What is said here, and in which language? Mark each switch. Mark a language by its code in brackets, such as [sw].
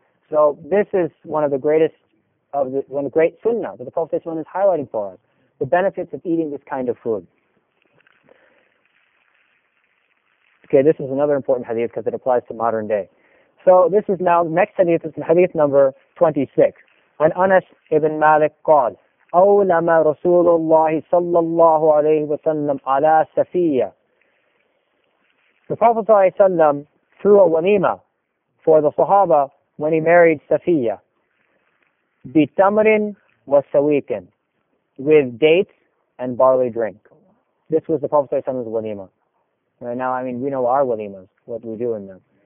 [en] So this is one of the great sunnah that the Prophet is highlighting for us, the benefits of eating this kind of food. Okay, this is another important hadith because it applies to modern day. So this is now, next hadith is hadith number 26. [ar] When Anas ibn Malik قال, أولم رسول الله صلى الله عليه وسلم على سفية. [en] The Prophet ﷺ threw a wanima for the Sahaba when he married Safiya. [ar] بِتَمْرٍ وَسَوِيكٍ, [en] with dates and barley drink. This was the Prophet's walima. Right now, I mean, we know our walimas, what we do in them.